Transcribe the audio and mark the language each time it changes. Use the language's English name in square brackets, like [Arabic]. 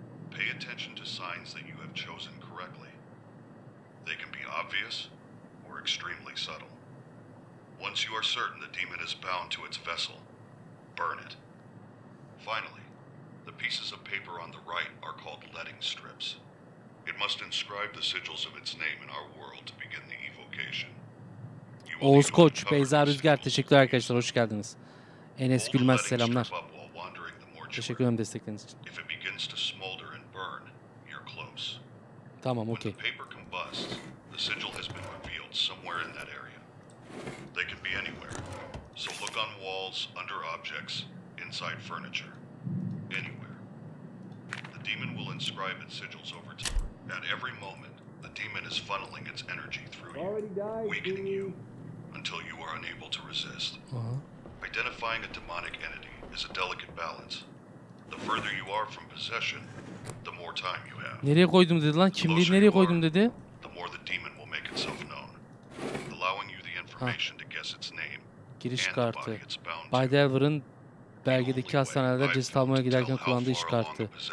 [English] Pay attention to signs that you have chosen correctly. They can be obvious or extremely subtle. Once you are certain the demon is bound to its vessel, burn it. Finally, the pieces of paper on the right are called letting strips. It must inscribe the sigils of its name in our world to begin the evocation. [Turkish] Oğuz Koç, Beyza Rüzgar, teşekkürler arkadaşlar, hoş geldiniz. Enes Gülmez, selamlar. Teşekkür ederim destekleriniz için. [English] If it begins to smolder and burn, you're close. [Turkish] Tamam, okey. [English] When the paper combusts, the sigil has been revealed somewhere in that area. They can be anywhere. So look on walls, under objects, inside furniture. Anywhere. The demon will inscribe its sigils over time. At every moment, the demon is funneling its energy through you, weakening you, until you are unable to resist. Identifying a demonic entity is a delicate balance. The further you are from possession, the more time you have. [Turkish] Nereye koydum dedi lan? Kimliği nereye koydum dedi? [English] The more the demon will make itself known, allowing you the information to guess its name. [Turkish] Giriş kartı. Bay Delver'ın belgedeki hastanelerde ceset almaya giderken kullandığı iş kartı.